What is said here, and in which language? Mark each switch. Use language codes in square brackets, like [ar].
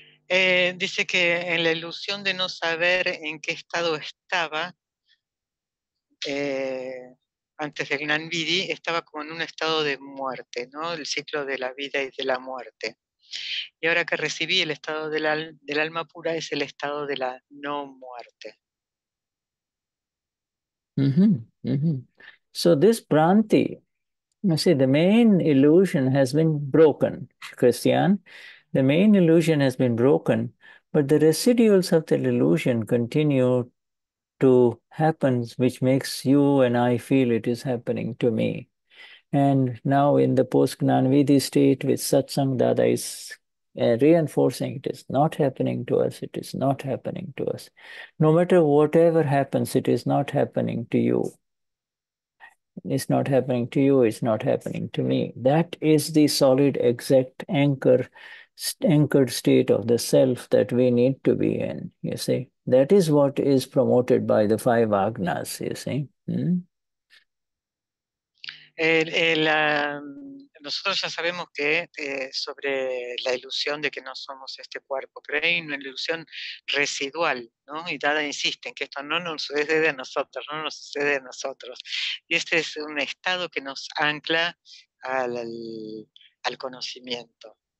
[es] Dice que en la ilusión de no saber en qué estado estaba antes del Gnanvidhi, estaba como en un estado de muerte, ¿no? El ciclo de la vida y de la muerte. Y ahora que recibí el estado del alma pura, es el estado de la no muerte. Mm-hmm, mm-hmm. [en] So this pranti, you see, the main illusion has been broken, Cristian. The main illusion has been broken, but the residuals of the illusion continue to happen, which makes you and I feel it is happening to me. And now in the post-Gnanvidhi state with satsang, Dada is reinforcing it is not happening to us, it is not happening to us. No matter whatever happens, it is not happening to you. It's not happening to you, it's not happening to me. That is the solid, exact anchored state of the self that we need to be in, you see. That is what is promoted by the five agnas, you see. Hmm? [es] Nosotros ya sabemos que sobre la ilusión de que no somos este cuerpo, pero hay una ilusión residual, ¿no? Y Dada insiste en que esto no nos sucede a nosotros, no nos sucede a nosotros. Y este es un estado que nos ancla al conocimiento.